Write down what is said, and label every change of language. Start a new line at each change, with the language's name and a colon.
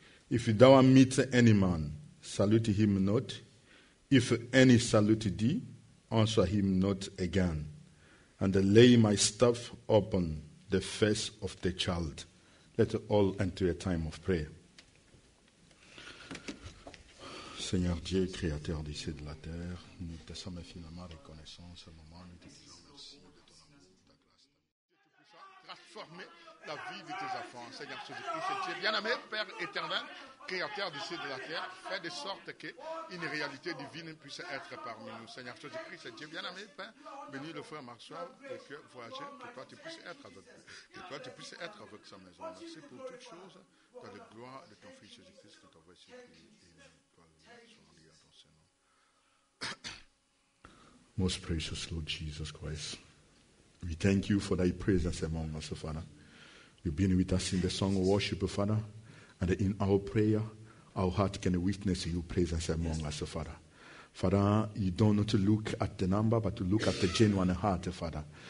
English: If thou meet any man, salute him not. If any salute thee, answer him not again, and lay my staff upon the face of the child. Let all enter a time of prayer.
French: Seigneur Dieu, Créateur du ciel et de la terre, nous te sommes infiniment reconnaissants en ce moment. Nous te disons merci de ton amour, de ta grâce. Dieu tout puissant, grâce. transformer la vie de tes enfants, Seigneur Jésus-Christ. Tu es bien aimé, Père éternel, créateur du ciel et de la terre, fais de sorte qu'une réalité divine puisse être parmi nous. Seigneur Jésus-Christ, Dieu bien aimé, Père, bénis le frère Marcel et que voyager, que toi tu puisses être avec lui, que toi tu puisses être avec sa maison. Merci pour toutes choses, par la gloire de ton Fils Jésus-Christ, que ton voici et toi à ton Seigneur.
English: Most precious Lord Jesus Christ, we thank you for thy presence among us, Father. You've been with us in the song of worship, Father. And in our prayer, our heart can witness your presence among us, Father. Father, you don't need to look at the number, but to look at the genuine heart, Father.